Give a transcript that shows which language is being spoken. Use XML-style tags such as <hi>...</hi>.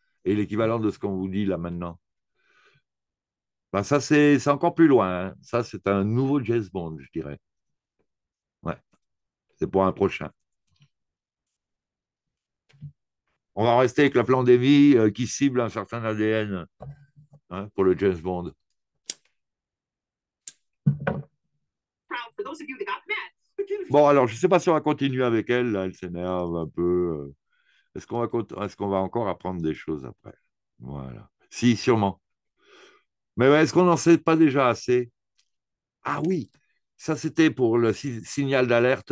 <fr>Et l'équivalent de ce qu'on vous dit là maintenant. Ben ça, c'est encore plus loin. Hein. Ça, c'est un nouveau James Bond, je dirais. C'est pour un prochain. On va rester avec la pandémie qui cible un certain ADN hein, pour le James Bond.</fr> <en>For those of you that got mad, again, if you...</en> <fr>Bon, alors, je ne sais pas si on va continuer avec elle. Là, elle s'énerve un peu. Est-ce qu'on va encore apprendre des choses après? Voilà. Si, sûrement. Mais est-ce qu'on n'en sait pas déjà assez? Ah oui, ça c'était pour le si signal d'alerte.</fr>